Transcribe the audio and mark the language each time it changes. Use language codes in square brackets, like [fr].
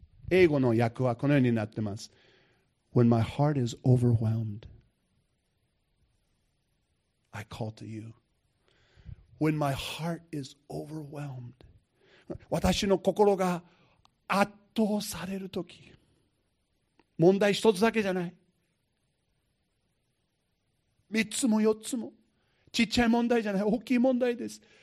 [ja] 英語の訳はこのようになってます。 [en] When my heart is overwhelmed, I call to you. When my heart is overwhelmed, [ja] 私の心が圧倒されるとき、問題一つだけじゃない、三つも四つも、ちっちゃい問題じゃない、大きい問題です。